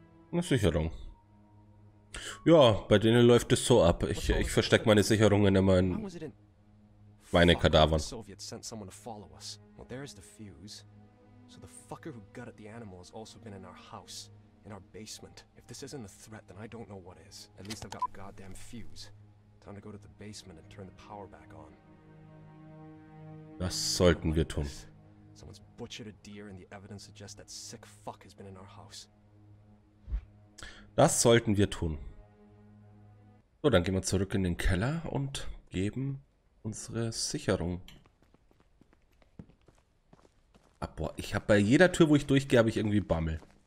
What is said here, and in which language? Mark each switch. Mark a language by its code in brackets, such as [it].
[de] Eine Sicherung. Ja, bei denen läuft es so ab. Ich verstecke meine Sicherungen immer in meine Kadavern. [en] So the fucker who gutted the animal has also been in our house, in our basement. If this isn't a threat, then I don't know what is. At least I've got a goddamn fuse. Time to go to the basement and turn the power back on. [de] Das sollten wir tun. [en] Someone's butchered a deer and the evidence suggests that sick fuck has been in our house. [de] Das sollten wir tun. So, dann gehen wir zurück in den Keller und geben unsere Sicherung. Ah, boah, ich habe bei jeder Tür, wo ich durchgehe, habe ich irgendwie Bammel.